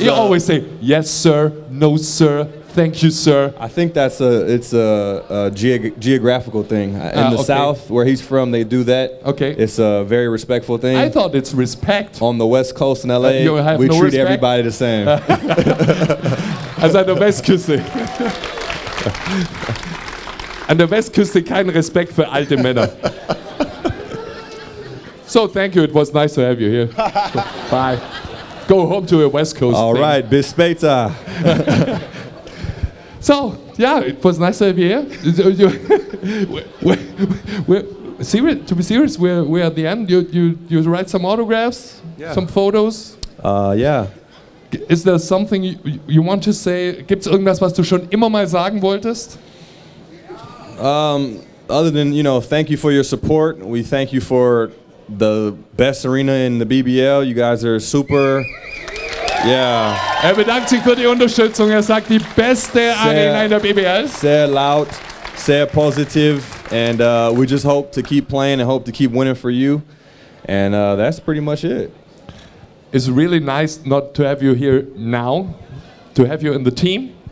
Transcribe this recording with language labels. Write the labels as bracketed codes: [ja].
[en] He always say yes sir, no sir, thank you sir. I think that's a geographical thing in the south where he's from. They do that. Okay, it's a very respectful thing. I thought it's respect. On the west coast in LA, we treat everybody the same. As I know best kissing. [de] An der Westküste kein Respekt für alte Männer. [en] So, thank you. It was nice to have you here. Bye. Go home to your West Coast. All thing. Right. [de] Bis später. [en] So, yeah, it was nice to have you here. serious, to be serious, we're at the end. You write some autographs, yeah. Some photos. Yeah. Is there something you want to say? [de] Gibt's irgendwas, was du schon immer mal sagen wolltest? [en] Other than, you know, thank you for your support. We thank you for the best arena in the BBL. You guys are super. Yeah. [de] Er bedankt sich für die Unterstützung. Er sagt, die beste Arena in der BBL. Sehr laut, sehr positiv. [en] And we just hope to keep playing and hope to keep winning for you. And that's pretty much it. It's really nice not to have you here now, to have you in the team.